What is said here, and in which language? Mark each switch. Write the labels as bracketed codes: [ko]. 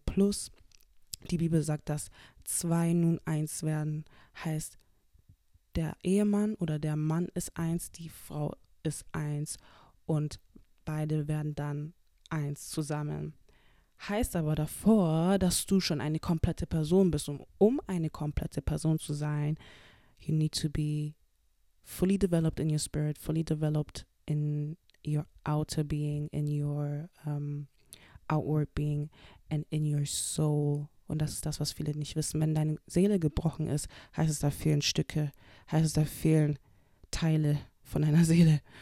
[de] Plus, die Bibel sagt, dass zwei nun eins werden, heißt, der Ehemann oder der Mann ist eins, die Frau ist eins und beide werden dann eins zusammen. Heißt aber davor, dass du schon eine komplette Person bist. Und um eine komplette Person zu sein, [en] you need to be fully developed in your spirit, fully developed in your outer being, in your outward being and in your soul. [de] Und das ist das, was viele nicht wissen. Wenn deine Seele gebrochen ist, heißt es, da fehlen Stücke, heißt es, da fehlen Teile von deiner Seele.